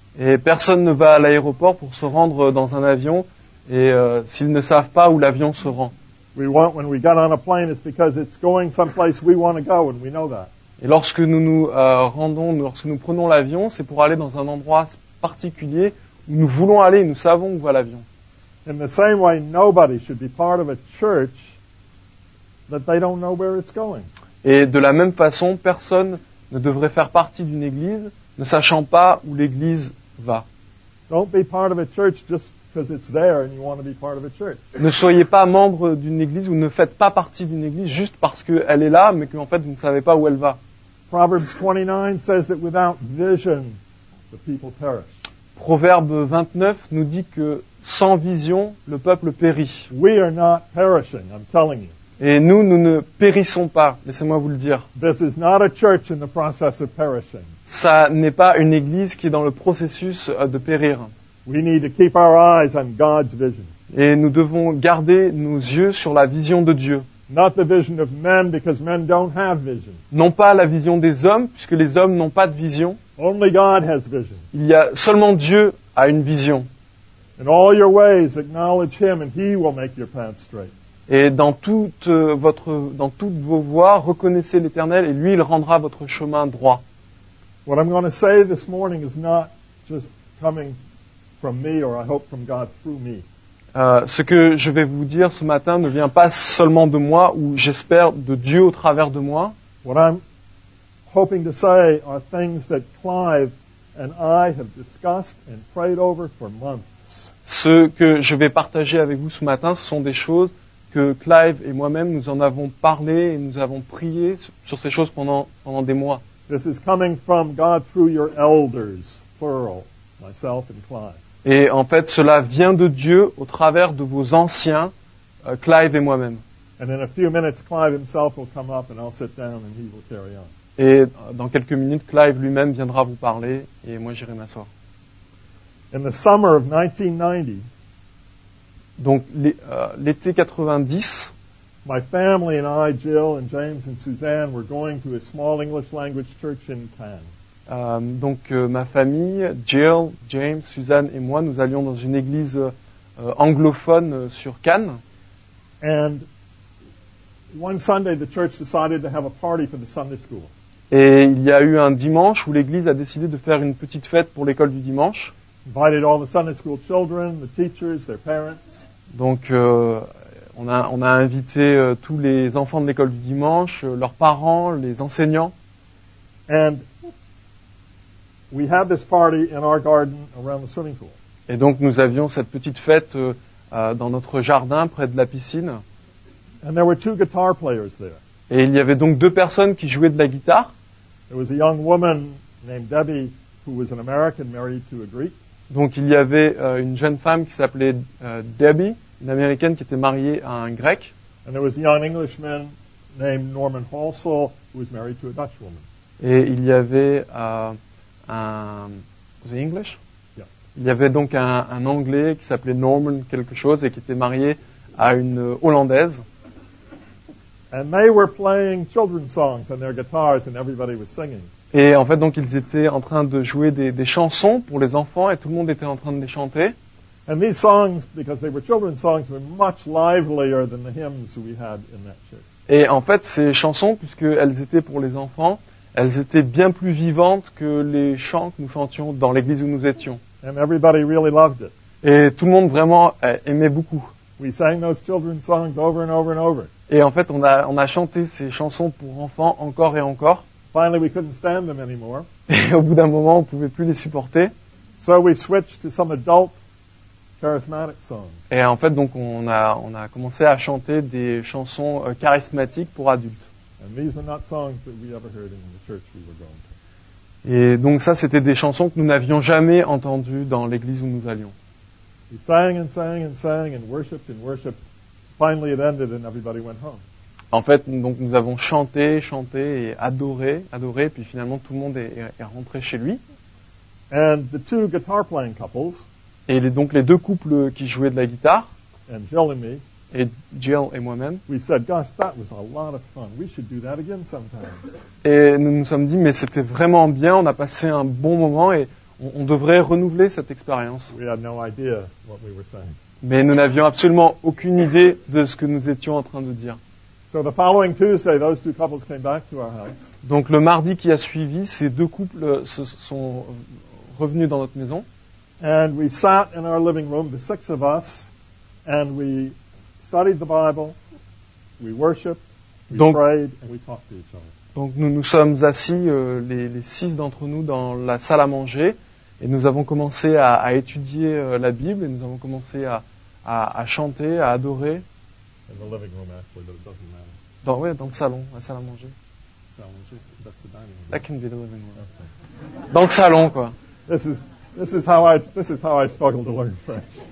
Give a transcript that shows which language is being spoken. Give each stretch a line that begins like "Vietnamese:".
French: Et personne ne va à l'aéroport pour se rendre dans un avion et s'ils ne savent pas où l'avion se rend.
English: We want when we get on a plane it's because it's going someplace we want to go and we know that.
French: Et lorsque nous nous rendons, lorsque nous prenons l'avion, c'est pour aller dans un endroit particulier. Nous voulons aller, nous savons où va l'avion.
English: In the same way, nobody should be part of a church that they don't know where it's going.
French: Et de la même façon, personne ne devrait faire partie d'une église ne sachant pas où l'église va.
English: Don't be part of a church just because it's there and you want to be part of a church.
French: Ne soyez pas membre d'une église ou ne faites pas partie d'une église juste parce qu'elle est là, mais qu'en fait vous ne savez pas où elle va.
English: Proverbs 29 says that without vision, the people perish.
French: Proverbe 29 nous dit que sans vision, le peuple périt.
English: We are not perishing, I'm telling you.
French: Et nous ne périssons pas, laissez-moi vous le dire.
English: This is not a church in the process of perishing.
French: ça n'est pas une église qui est dans le processus de périr.
English: We need to keep our eyes on God's vision.
French: Et nous devons garder nos yeux sur la vision de Dieu.
English: Not the vision of men, because men don't have vision.
French: Non pas la vision des hommes, puisque les hommes n'ont pas de vision.
English: Only God has vision.
French: Il y a seulement Dieu a une vision.
English: In all your ways, acknowledge Him, and He will make your path straight.
French: Et dans toute votre, dans toutes vos voies, reconnaissez l'Éternel, et lui, il rendra votre chemin droit.
English: What I'm going to say this morning is not just coming from me, or I hope from God through me.
French: Ce que je vais vous dire ce matin ne vient pas seulement de moi ou j'espère de Dieu au travers de moi.
English: What I'm hoping to say are things that Clive and I have discussed and prayed over for months.
French: Ce que je vais partager avec vous ce matin, ce sont des choses que Clive et moi-même nous en avons parlé et nous avons prié sur ces choses pendant des mois.
English: This is coming from God through your elders, plural, myself and Clive.
French: Et en fait, cela vient de Dieu au travers de vos anciens, Clive et moi-même.
English: And in a few minutes, Clive himself will come up and I'll sit down and he will carry on.
French: Et dans quelques minutes, Clive lui-même viendra vous parler et moi j'irai m'asseoir.
English: In the summer of 1990,
French: donc l'été 90,
English: my family and I, Jill and James and Suzanne, were going to a small English language church in Cannes.
French: Ma famille, Jill, James, Suzanne et moi, nous allions dans une église anglophone sur Cannes.
English: And one Sunday, the church decided to have a party for the Sunday school.
French: Et il y a eu un dimanche où l'église a décidé de faire une petite fête pour l'école du dimanche.
English: Invited all the Sunday school children, the teachers, their parents.
French: Donc, on a invité tous les enfants de l'école du dimanche, leurs parents, les enseignants.
English: And we had this party in our garden around the swimming pool.
French: Et donc nous avions cette petite fête dans notre jardin près de la piscine.
English: And there were two guitar players there.
French: Et il y avait donc deux personnes qui jouaient de la guitare.
English: There was a young woman named Debbie who was an American married to a Greek.
French: Donc il y avait une jeune femme qui s'appelait Debbie, une américaine qui était mariée à un grec.
English: And there was a young Englishman named Norman Halsall who was married to a Dutch woman.
French: Et il y avait
English: was it English? Yeah.
French: Il y avait donc un Anglais qui s'appelait Norman quelque chose et qui était marié à une Hollandaise.
English: And they were playing children's songs on their guitars and everybody was singing.
French: Et en fait donc ils étaient en train de jouer des chansons pour les enfants et tout le monde était en train de les chanter.
English: And these songs, because they were children's songs, were much livelier than the hymns we had in that church.
French: Et en fait ces chansons, puisqu'elles étaient pour les enfants, elles étaient bien plus vivantes que les chants que nous chantions dans l'église où nous étions.
English: And everybody really loved it.
French: Et tout le monde vraiment aimait beaucoup.
English: We sang those children's songs over and over and over.
French: Et en fait, on a chanté ces chansons pour enfants encore et encore.
English: Finally, we couldn't stand them anymore.
French: Et au bout d'un moment, on ne pouvait plus les supporter.
English: So we switched to some adult charismatic songs.
French: Et en fait, donc, on a commencé à chanter des chansons charismatiques pour adultes.
English: And these were not songs that we ever heard in the church we were going to.
French: Et donc ça, c'était des chansons que nous n'avions jamais entendues dans l'église où nous allions.
English: We sang and sang and sang and worshipped and worshipped. Finally, it ended and everybody went home.
French: En fait, donc nous avons chanté et adoré, puis finalement tout le monde est rentré chez lui.
English: And the two guitar-playing couples.
French: Et donc les deux couples qui jouaient de la guitare.
English: And Jill and me.
French: Et Jill et moi-même.
English: We said, gosh, that was a lot of fun. We should do that again sometime.
French: Et nous nous sommes dit, mais c'était vraiment bien. On a passé un bon moment et on devrait renouveler cette expérience.
English: We had no idea what we were saying.
French: Mais nous n'avions absolument aucune idée de ce que nous étions en train de dire.
English: So the following Tuesday, those two couples came back to our house.
French: Donc le mardi qui a suivi, ces deux couples se sont revenus dans notre maison.
English: And we sat in our living room, the six of us, and we studied the Bible, we worshiped, we prayed, and we talked to each other.
French: Donc nous nous sommes assis les six d'entre nous dans la salle à manger et nous avons commencé à étudier la Bible et nous avons commencé à chanter, à adorer.
English: In the living room, actually, but it doesn't matter.
French: Dans le salon, la salle à manger.
English: That's the dining room. That can be the living room. Okay.
French: Dans le salon, quoi.
English: This is how I struggle to learn French.